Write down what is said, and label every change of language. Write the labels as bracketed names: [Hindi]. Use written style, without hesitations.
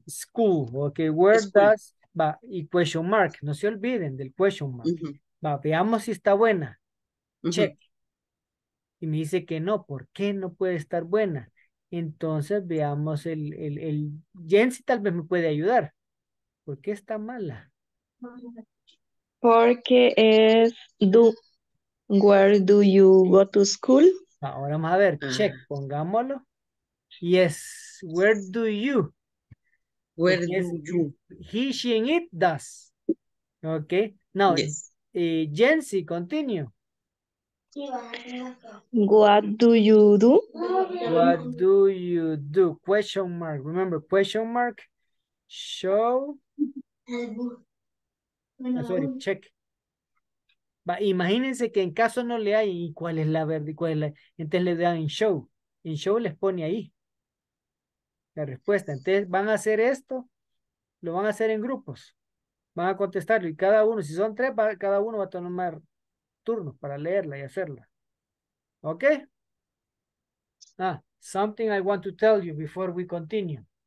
[English] School. Okay. Where school. Does... [Spanish] Va, y [English] question mark. [Spanish] No se olviden del question mark. Va, veamos si está buena. Check. Y me dice que no. ¿Por qué no puede estar buena? Entonces veamos el Jensi tal vez me puede ayudar. ¿Por qué está mala? Porque es [English] where do you go to school? [Spanish] Ahora vamos a ver, check, pongámoslo. [English] Yes, where do you? Where yes, do you? He, she, and it does. Ok, now, yes. Jensi, continue. What do you do? What do you do? Question mark, remember, question mark, show... Oh, sorry, check. [Spanish] Imagínense que en caso no le hay, ¿y cuál es la verdad? ¿Cuál es la? Entonces le dan en show. En show les pone ahí la respuesta. Entonces van a hacer esto, lo van a hacer en grupos. Van a contestarlo y cada uno, si son tres, cada uno va a tomar turnos para leerla y hacerla. ¿Ok? [English] Ah, something I want to tell you before we continue.